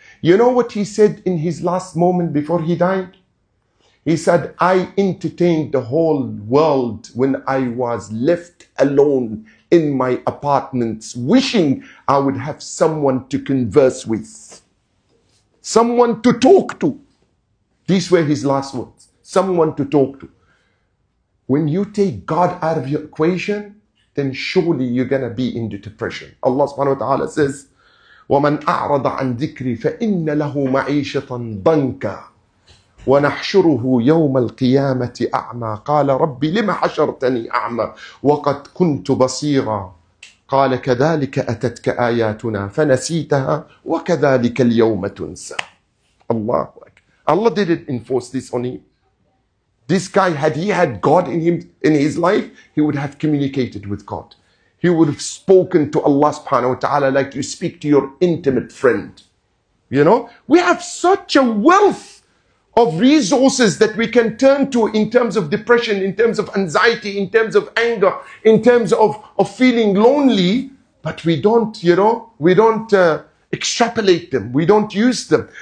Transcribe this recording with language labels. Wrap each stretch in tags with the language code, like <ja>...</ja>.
<en>You know what he said in his last moment before he died? He said, I entertained the whole world when I was left alone in my apartments, wishing I would have someone to converse with, someone to talk to. These were his last words, someone to talk to. When you take God out of your equation, then surely you're going to be in the depression. Allah subhanahu wa ta'ala says,</en> <ar>وَمَنْ أَعْرَضَ عَنْ ذِكْرِي فَإِنَّ لَهُ مَعِيشَةً ضَنْكًا ونحشره يوم القيامة أعمى قال ربي لما حشرتني أعمى وقد كنت بصيرا قال كذلك أتتك آياتنا فنسيتها وكذلك اليوم تنسى. الله أكبر.</ar> <en>Allah didn't enforce this on him. This guy, had he had God in him in his life, he would have communicated with God. He would have spoken to Allah subhanahu wa ta'ala like you speak to your intimate friend. You know, we have such a wealth of resources that we can turn to in terms of depression, in terms of anxiety, in terms of anger, in terms of feeling lonely, but we don't, you know, we don't extrapolate them. We don't use them.</en>